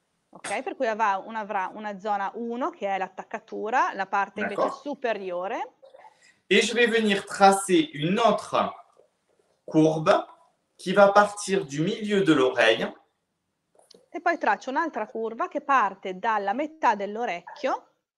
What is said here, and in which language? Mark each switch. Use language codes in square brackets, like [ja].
[it] Ok, per cui avrà una zona 1, che è l'attaccatura, la parte invece superiore. [fr] Et je vais venir tracer une autre courbe qui va partir du milieu de l'oreille. [it] E poi traccio un'altra curva che parte dalla metà dell'orecchio.